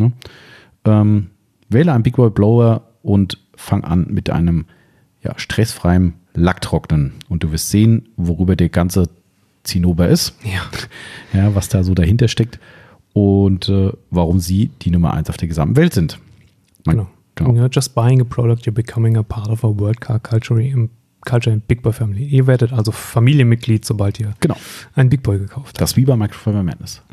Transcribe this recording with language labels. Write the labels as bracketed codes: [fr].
[de] Ne? Wähle einen Big Boy Blower und fang an mit einem ja, stressfreien Lacktrocknen. Und du wirst sehen, worüber der ganze Zinnober ist. Ja. Ja, was da so dahinter steckt. Und warum sie die Nummer 1 auf der gesamten Welt sind. Genau. [en] You're just buying a product, you're becoming a part of a world car culture in Culture in Big Boy Family. [de] Ihr werdet also Familienmitglied, sobald ihr genau. einen Big Boy gekauft habt. Das wie bei Microfiber Madness.